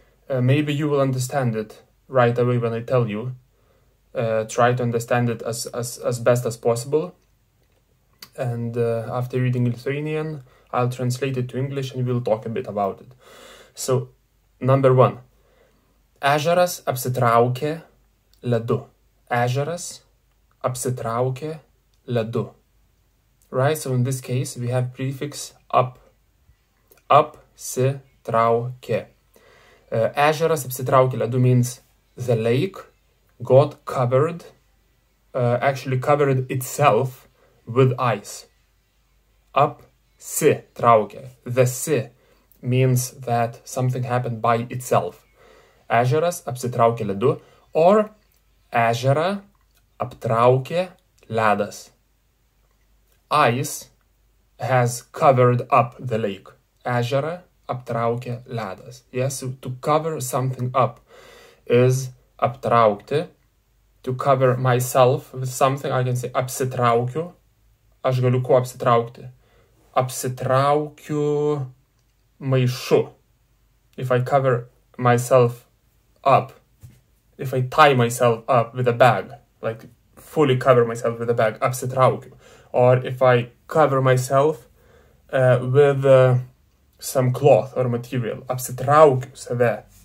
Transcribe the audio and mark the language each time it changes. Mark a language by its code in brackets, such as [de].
[en] Maybe you will understand it right away when I tell you. Try to understand it as best as possible. And after reading Lithuanian, I'll translate it to English and we'll talk a bit about it. So, number one. [lt] Ežeras apsitraukė ledu. Ežeras apsitraukė ledu. [en] Right, so in this case we have prefix up. Apsitraukė. [lt] Ežeras apsitraukė ledu [en] means the lake got covered, actually covered itself with ice. Apsitraukė. The si means that something happened by itself. [lt] Ežeras apsitraukė ledu, or ežerą aptraukė ledas. [en] Ice has covered up the lake. [lt] Ežerą aptraukė ledas. [en] Yes, so to cover something up is aptraukti. To cover myself with something, I can say apsitraukiu. [lt] Aš galiu kuo apsitraukti? Apsitraukiu maišu. [en] If I cover myself up, if I tie myself up with a bag, like fully cover myself with a bag, apsitraukiu. Or if I cover myself with some cloth or material, [lt] apsitraukiu save.